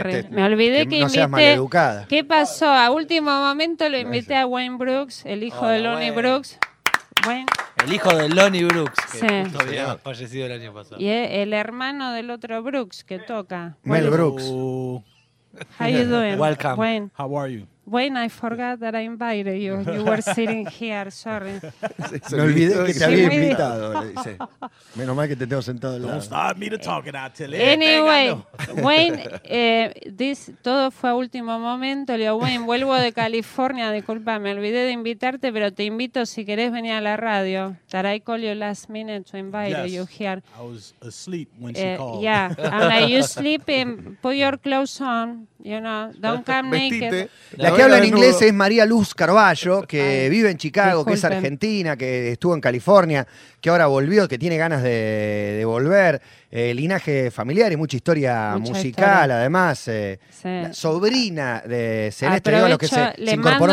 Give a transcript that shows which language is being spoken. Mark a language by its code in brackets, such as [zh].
[es] me olvidé que no seas maleducada. ¿Qué pasó? A último momento lo invité a Wayne Brooks, el hijo de Lonnie Brooks. El hijo de Lonnie Brooks, que había fallecido el año pasado. Y el hermano del otro Brooks que toca. Mel Brooks. [en] How you doing? Welcome. Wayne. How are you? Wayne, I forgot that I invited you. You were sitting here. Sorry. [es] Me olvidé que te había invitado. Le dice. Menos mal que te tengo sentado al lado. [en] Don't stop me to talking out till [es] anyway, Wayne, todo fue a último momento. Le digo, Wayne, vuelvo de California. Disculpa, me olvidé de invitarte, pero te invito si querés venir a la radio. [en] That I call you last minute to invite yes, you here. I was asleep when she called. Yeah, I'm like, you sleeping, put your clothes on. You know, don't come naked. [es] La que habla en inglés es María Luz Carballo, que vive en Chicago, disculpen, que es argentina, que estuvo en California, que ahora volvió, que tiene ganas de volver. Linaje familiar y mucha historia mucha musical. Además. Sí. Sobrina de Celeste, digo, lo que se incorporó